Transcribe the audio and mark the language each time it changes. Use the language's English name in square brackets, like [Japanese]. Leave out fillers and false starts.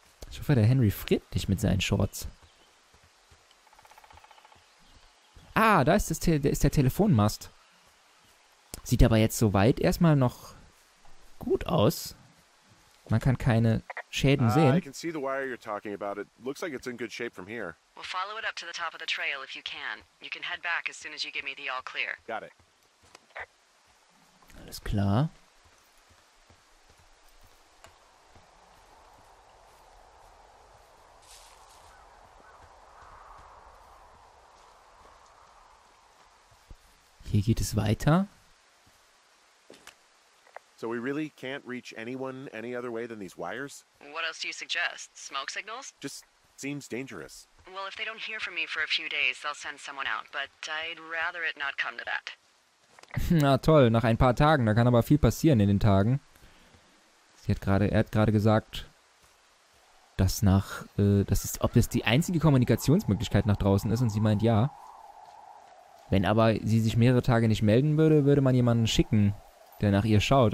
[German] Ich hoffe, der Henry friert nicht mit seinen Shorts. Ah, da ist das der Telefonmast. Sieht aber jetzt soweit erstmal noch gut aus. Man kann keine Schäden sehen. [English] I can see the wire you're talking about. It looks like it's in good shape from here. We'll follow it up to the top of the trail if you can. You can head back as soon as you give me the all clear. Got it. [German] Alles klar. Hier geht es weiter. [English] So we really can't reach anyone any other way than these wires? What else do you suggest? Smoke signals? Just seems dangerous. Well, if they don't hear from me for a few days, they'll send someone out, but I'd rather it not come to that. [German] Na toll, nach ein paar Tagen, da kann aber viel passieren in den Tagen. Er hat gerade gesagt, ob das die einzige Kommunikationsmöglichkeit nach draußen ist, und sie meint ja. Wenn aber sie sich mehrere Tage nicht melden würde, würde man jemanden schicken, der nach ihr schaut.